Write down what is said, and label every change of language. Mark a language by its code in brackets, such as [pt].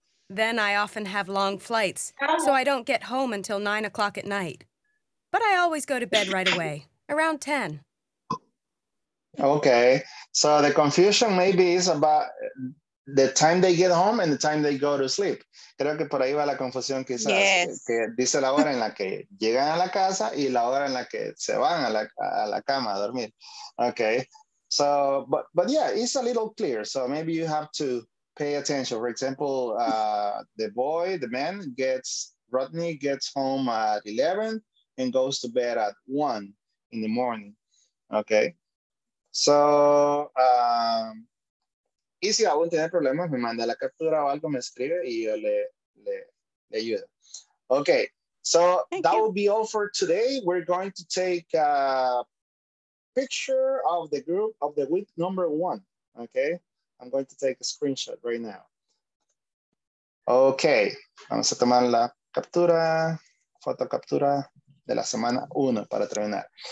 [en] Then I often have long flights, so I don't get home until 9 o'clock at night. But I always go to bed right away, around 10. Okay, so the confusion maybe is about the time they get home and the time they go to sleep. [es] Creo que por ahí va la confusión quizás. [en] Yes. [es] Que dice la hora en la que llegan a la casa y la hora en la que se van a la cama a dormir. [en] Okay, so, but yeah, it's a little clear, so maybe you have to pay attention. For example, Rodney gets home at 11 and goes to bed at 1 in the morning. Okay. [es] So, y si aún tiene problemas, me manda la captura o algo, me escribe y yo le ayudo. [en] Okay. So Thank you. Will be all for today. We're going to take a picture of the group of the week number 1. Okay. I'm going to take a screenshot right now. [es] Okay, vamos a tomar la captura, foto captura de la semana 1 para terminar.